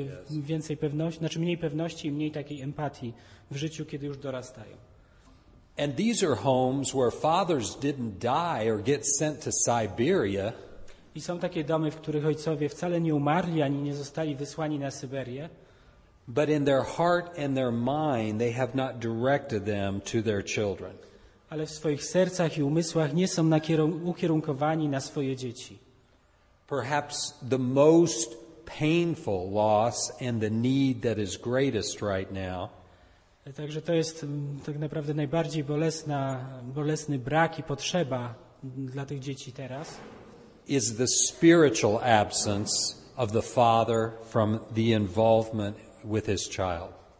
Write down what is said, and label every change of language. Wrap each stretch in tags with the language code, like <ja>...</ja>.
<pl>Więcej pewności, znaczy mniej pewności i mniej takiej empatii w życiu, kiedy już dorastają.</pl> <en>And these are homes where fathers didn't die or get sent to Siberia.</en> <pl>I są takie domy, w których ojcowie wcale nie umarli ani nie zostali wysłani na Syberię.</pl> <en>But in their heart and their mind they have not directed them to their children.</en> <pl>Ale w swoich sercach i umysłach nie są ukierunkowani na swoje dzieci.</pl> <en>Perhaps the most painful loss and the need that is greatest right now.</en> <pl>Także to jest tak naprawdę najbardziej bolesny brak i potrzeba dla tych dzieci teraz.</pl> <en>Is the spiritual absence of the father from the involvement with his child.</en>